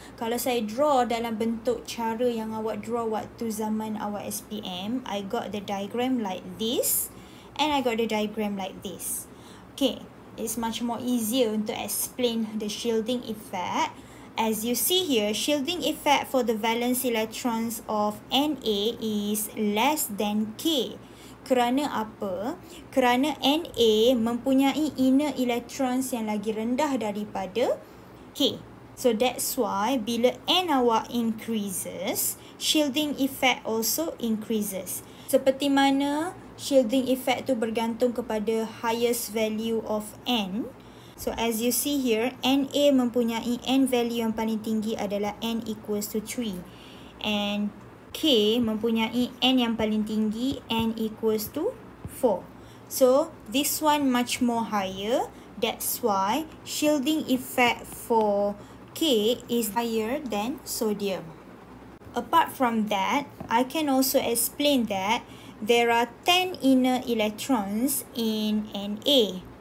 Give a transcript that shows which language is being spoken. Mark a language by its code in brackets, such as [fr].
[ms] Kalau saya draw dalam bentuk cara yang awak draw waktu zaman awak SPM, [en] I got the diagram like this and I got the diagram like this. Okay, it's much more easier to explain the shielding effect. As you see here, shielding effect for the valence electrons of Na is less than K. [ms] Kerana apa? Kerana Na mempunyai inner electrons yang lagi rendah daripada K. [en] So that's why bila N awak increases, shielding effect also increases. [ms] Seperti mana [en] shielding effect [ms] tu bergantung kepada [en] highest value of N. So as you see here, Na [ms] mempunyai [en] N value [ms] yang paling tinggi adalah [en] N equals to 3. And K [ms] mempunyai [en] N [ms] yang paling tinggi, [en] N equals to 4. So, this one much more higher. That's why shielding effect for K is higher than sodium. Apart from that, I can also explain that there are 10 inner electrons in Na.